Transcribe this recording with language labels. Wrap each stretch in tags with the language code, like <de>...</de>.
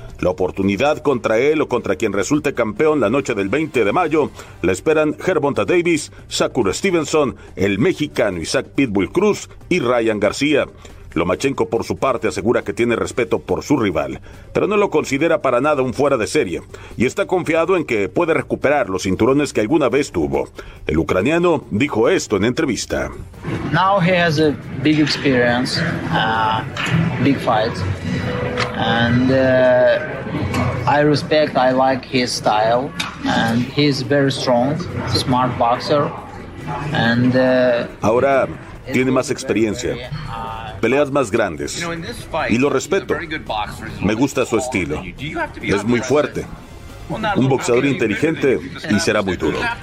<es>La oportunidad contra él o contra quien resulte campeón la noche del 20 de mayo la esperan Gervonta Davis, Shakur Stevenson, el mexicano Isaac Pitbull Cruz y Ryan García. Lomachenko, por su parte, asegura que tiene respeto por su rival, pero no lo considera para nada un fuera de serie, y está confiado en que puede recuperar los cinturones que alguna vez tuvo. El ucraniano dijo esto en entrevista.</es> <en>Now he has a big experience, big fights, and I respect, I like his style, and he's very strong, smart boxer, and</en> <es>ahora tiene más experiencia, peleas más grandes, y lo respeto. Me gusta su estilo. Es muy fuerte. Un boxeador inteligente y será muy duro.</es>